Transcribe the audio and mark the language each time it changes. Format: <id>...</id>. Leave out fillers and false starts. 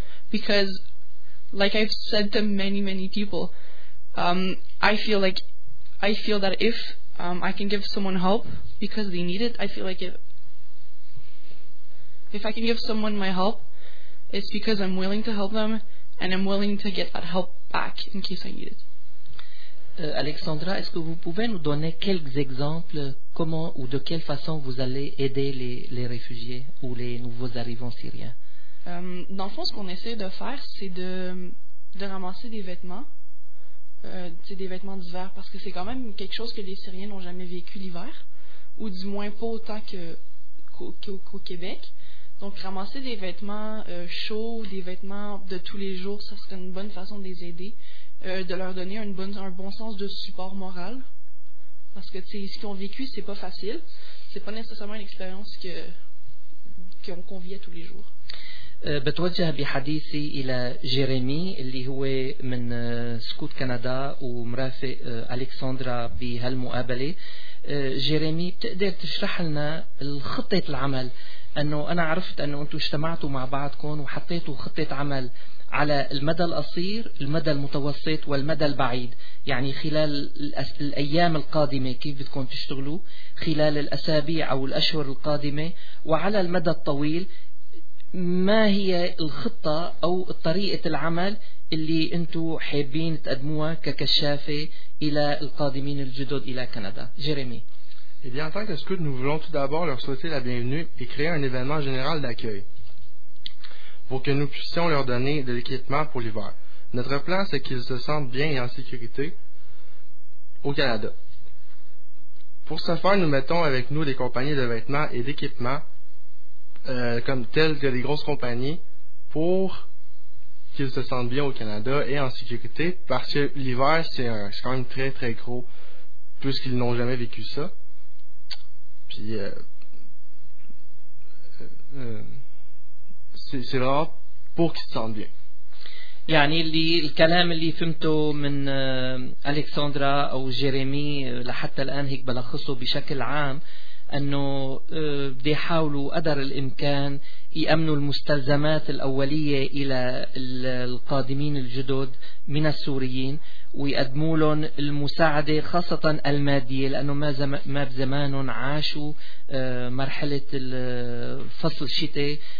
<en>because like I've said to many people, I feel that if I can give someone help because they need it, I feel like if I can give someone my help, it's because I'm willing to help them and I'm willing to get that help back in case I need it.</en> <fr>Alexandra, est-ce que vous pouvez nous donner quelques exemples comment ou de quelle façon vous allez aider les réfugiés ou les nouveaux arrivants syriens? Dans le fond, ce qu'on essaie de faire, c'est de ramasser des vêtements. C'est des vêtements d'hiver, parce que c'est quand même quelque chose que les Syriens n'ont jamais vécu l'hiver, ou du moins pas autant qu'au Québec. Donc ramasser des vêtements chauds, des vêtements de tous les jours, ça serait une bonne façon de les aider, de leur donner un bon sens de support moral, parce que ce qu'ils ont vécu, c'est pas facile, c'est pas nécessairement une expérience qu'on vit à tous les jours.</fr> <ar>بتوجه بحديثي إلى جيريمي اللي هو من سكوت كندا ومرافق ألكسندرا بهالمقابلة. جيريمي، بتقدر تشرح لنا الخطة العمل؟ أنه أنا عرفت أنه أنتوا اجتمعتوا مع بعضكم وحطيتوا خطة عمل على المدى القصير، المدى المتوسط والمدى البعيد، يعني خلال الأيام القادمة كيف بدكم تشتغلوا، خلال الأسابيع أو الأشهر القادمة، وعلى المدى الطويل ما هي الخطة أو طريقة العمل اللي أنتوا حابين تقدموها ككشافة إلى القادمين الجدد إلى كندا؟ جيريمي.</ar> <fr>Eh bien, en tant que scout, nous voulons tout d'abord leur souhaiter la bienvenue et créer un événement général d'accueil pour que nous puissions leur donner de l'équipement pour l'hiver. Notre plan, c'est qu'ils se sentent bien et en sécurité au Canada. Pour ce faire, nous mettons avec nous des compagnies de vêtements et d'équipements. Comme telles que les grosses compagnies, pour qu'ils se sentent bien au Canada et en sécurité, parce que l'hiver, c'est quand même très très gros, puisqu'ils n'ont jamais vécu ça. Puis, c'est vraiment pour qu'ils se sentent bien.</fr> <ar>يعني اللي الكلام اللي فهمته من ألكسندرا أو جيريمي لحتى الآن هيك بلخصه بشكل عام، أنه بدي حاولوا قدر الإمكان يأمنوا المستلزمات الأولية إلى القادمين الجدد من السوريين، ويقدموا لهم المساعدة خاصة المادية، لأنه ما بزمانهم عاشوا مرحلة فصل الشتاء،</ar>